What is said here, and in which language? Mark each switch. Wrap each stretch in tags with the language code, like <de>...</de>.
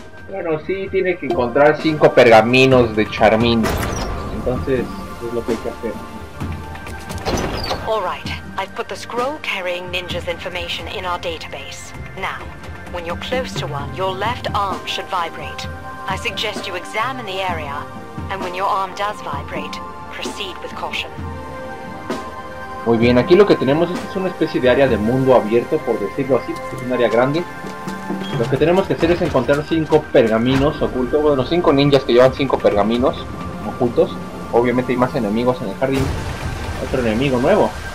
<es>Bueno, sí, tiene que encontrar 5 pergaminos de Charmín. Entonces, es lo que hay que hacer.</es> <en>All right, I've put the scroll carrying ninja's information in our database. Now, when you're close to one, your left arm should vibrate. I suggest you examine the area, and when your arm does vibrate, proceed with caution.</en> <es>Muy bien, aquí lo que tenemos es una especie de área de mundo abierto, por decirlo así, es un área grande. Lo que tenemos que hacer es encontrar 5 pergaminos ocultos, bueno, 5 ninjas que llevan 5 pergaminos ocultos. Obviamente hay más enemigos en el jardín, otro enemigo nuevo.</es>